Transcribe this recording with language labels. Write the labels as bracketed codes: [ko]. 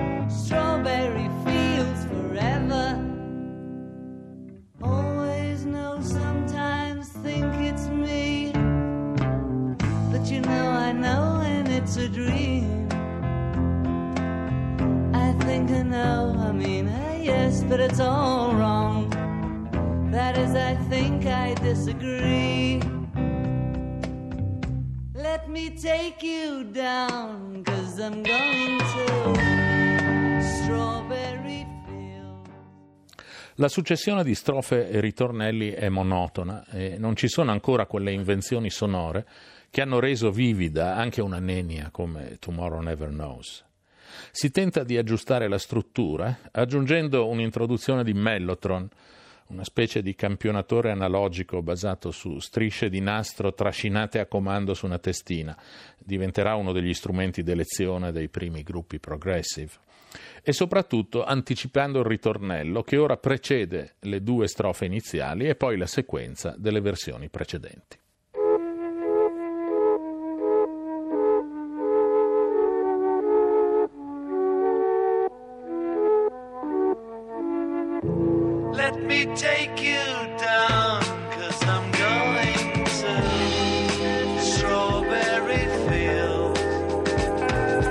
[en] Strawberry Fields forever. Always know, sometimes think it's me, but you know, I know, and it's a dream. I think I know, I mean, yes, but it's all wrong. That is, I think I disagree. Let me take you down, 'cause I'm going to Strawberry Field. [it] La successione di strofe e ritornelli è monotona e non ci sono ancora quelle invenzioni sonore che hanno reso vivida anche una nenia come Tomorrow Never Knows. Si tenta di aggiustare la struttura aggiungendo un'introduzione di Mellotron, una specie di campionatore analogico basato su strisce di nastro trascinate a comando su una testina. Diventerà uno degli strumenti d'elezione dei primi gruppi progressive. E soprattutto anticipando il ritornello che ora precede le due strofe iniziali e poi la sequenza delle versioni precedenti. [en] Let me take you down, 'cause I'm going to Strawberry Fields.